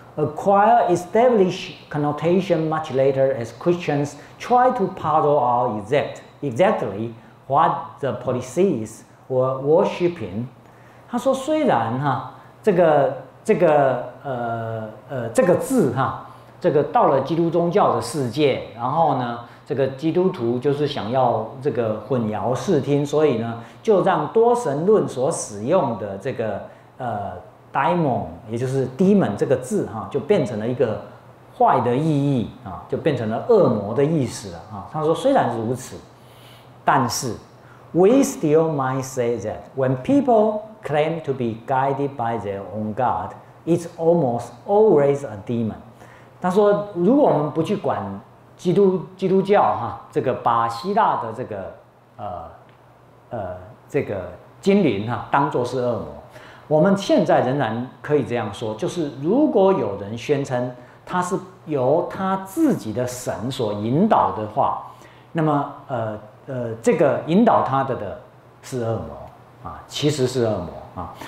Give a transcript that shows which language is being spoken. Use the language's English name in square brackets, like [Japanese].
[English] Acquire established connotation much later as Christians try to puzzle out exactly what the policies were worshipping. [Chinese] 他说虽然哈、啊、这个字哈、啊、这个到了基督宗教的世界，然后呢，这个基督徒就是想要这个混淆视听，所以呢，就让多神论所使用的这个daimon， 也就是 demon 这个字哈，就变成了一个坏的意义啊，就变成了恶魔的意思啊。他说，虽然如此，但是 [English] we still might say that when people claim to be guided by their own god, it's almost always a demon。 [Chinese] 他说，如果我们不去管基督教哈，这个把希腊的这个这个精灵哈当作是恶魔，我们现在仍然可以这样说，就是如果有人宣称他是由他自己的神所引导的话，那么这个引导他的是恶魔啊，其实是恶魔啊。